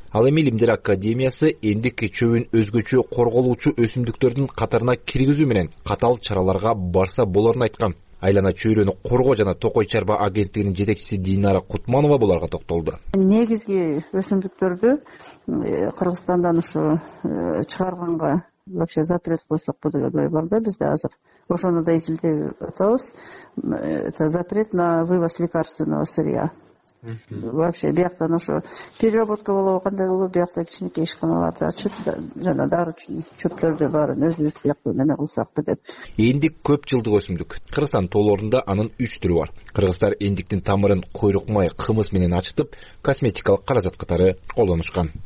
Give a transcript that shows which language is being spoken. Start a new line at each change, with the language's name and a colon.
Kyrgyz: Ал эми Илимдер академиясы эндик чөбүн өзгөчө корголуучу өсүмдүктөрдүн катарына киргизүү менен катаал чараларга барса болорун айткан. Айлана чөйрөнү коргоо жана токой чарба агенттигинин жетекчиси Динара Кутманова буларга токтолду. Негизги өсүмдүктөрдү Кыргызстандан ушу чыгарганга
Russian: вообще запрет
Kyrgyz: койсок бу деген ой бар да бизде азыр. Ошону да изилдеп атабыз.
Russian: Это запрет на вывоз лекарственного сырья.
Kyrgyz: Вообще бияктан ошо переработка болобу, кандай болобу, бияктан кичинекей ишканаларда чөп жана дары чөптөрдү баарын өзүбүз бияктан эме кылсакпы деп. Эндик көп жылдык өсүмдүк. Кыргызстан тоолорунда анын үч түрү бар. Кыргыздар эндиктин тамырын куйрук май, кымыз менен ачытып, косметикалык каражат катары колдонушкан.